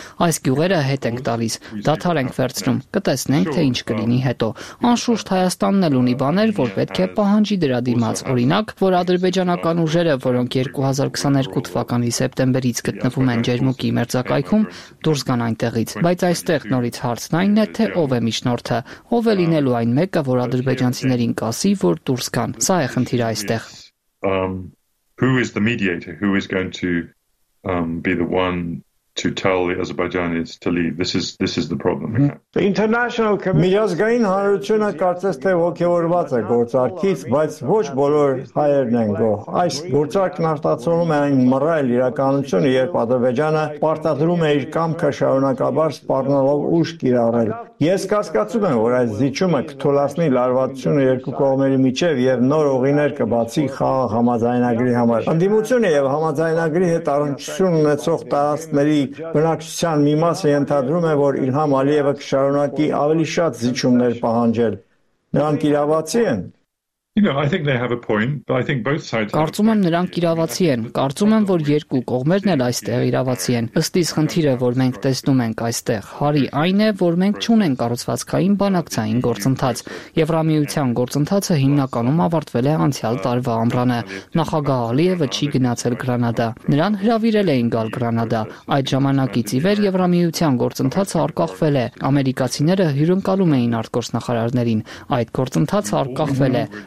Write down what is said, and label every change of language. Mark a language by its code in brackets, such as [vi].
[hy] Այս գյուղերը հետ ենք տալիս, դադար ենք վերցնում, կտեսնենք, թե ինչ կլինի հետո։ Անշուշտ Հայաստանն էլ ունի բաներ, որ պետք է պահանջի դրա դիմաց, օրինակ, որ ադրբեջանական ուժերը, որոնք 2022 թվականի սեպտեմբերից գտնվում են Ջերմուկի մերձակայքում, դուրս գան այնտեղից։ Բայց այստեղ նորից հարցն այն է, թե ով է միջնորդը, ով է լինելու այն մեկը, որ ադրբեջանցիներին կասի, որ դուրս գան։ Սա է խնդիրը այստեղ։ [en] Who is the mediator? Who is going to be the one to tell the Azerbaijanis to leave? This is the problem. The international [hy] միջազգային հանրությունը կարծես թե ոգևորված է գործարքից, բայց ոչ բոլոր հայերն են գոհ։ Այս գործարքն արտացոլում է այն մռայլ իրականությունը, երբ Ադրբեջանը պարտադրում է իր կամքը շարունակաբար սպառնալով ուժ կիրառել։ Ես կասկածում եմ, որ այս զիջումը կթուլացնի լարվածությունը երկու կողմերի միջև և նոր ուղիներ կբացի խաղաղ համաձայնագրի համար։ Ընդդիմությունը և համաձայնագրի հետ առնչություն ունեցող տարածքների բնակչության մի մասը ենթադրում է, որ Իլհամ Ալիևը կշարունակի ավելի շատ զիջումներ պահանջել։ Նրանք իրավացի են։ [en] You know, I think they have a point, but I think both sides. [hy] Կարծում եմ նրանք իրավացի են։ Կարծում եմ, որ երկու կողմերն էլ այստեղ իրավացի են։ Ըստ իս խնդիրը, որ մենք տեսնում ենք այստեղ, հարի այն է, որ մենք չունենք կառուցվածքային բանակցային գործընթաց։ Եվրամիության գործընթացը հիմնականում ավարտվել է անցյալ տարվա ամռանը։ Նախագահ Ալիևը չի գնացել Գրանադա։ Նրան հրավիրել էին գալ Գրանադա։ Այդ ժամանակից ի վեր Եվրամիության գործընթացը արկախվել է։ Ամերիկացիները հյուրընկալում էին արտգործնախարարներին։ Այդ գործընթացը արկախվել է։